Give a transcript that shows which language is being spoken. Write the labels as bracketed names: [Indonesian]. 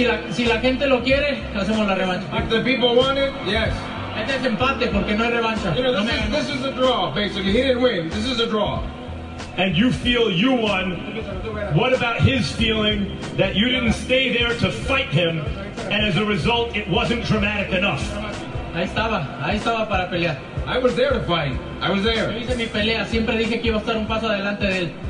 [Spanish] Si la gente lo quiere, hacemos la revancha. [English] If the people want it, yes. [Spanish] Este es empate porque no hay revancha. [English] You know, this is a draw, basically. He didn't win. This is a draw. And you feel you won. What about his feeling that you didn't stay there to fight him, and as a result, it wasn't dramatic enough? [Spanish] Ahí estaba para pelear. [English] I was there to fight. I was there. [Spanish] Yo hice mi pelea. Siempre dije que iba a estar un paso adelante de él.